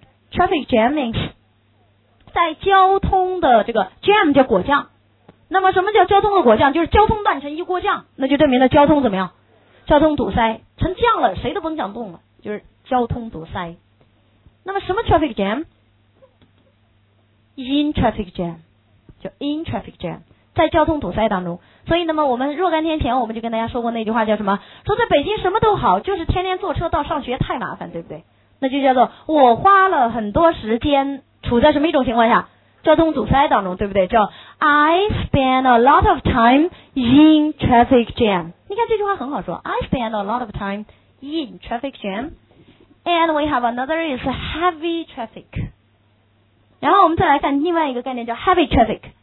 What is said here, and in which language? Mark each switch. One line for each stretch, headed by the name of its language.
Chinese: traffic jam means 在交通的这个 jam 叫果酱，那么什么叫交通的果酱，就是交通断成一锅酱，那就证明了交通怎么样，交通堵塞成酱了，谁都甭想动了，就是交通堵塞。那么什么 traffic jam？
English: in traffic jam， 叫 in traffic jam，
Chinese: 在交通堵塞当中。所以那么我们若干天前我们就跟大家说过那句话，叫什么，说在北京什么都好，就是天天坐车到上学太麻烦，对不对？那就叫做我花了很多时间处在什么一种情况下，交通堵塞当中，对不对？
English: 叫 I spend a lot of time in traffic jam。
Chinese: 你看这句话很好说，
English: I spend a lot of time in traffic jam。 And we have another is heavy traffic。
Chinese: 然后我们再来看另外一个概念叫 heavy traffic。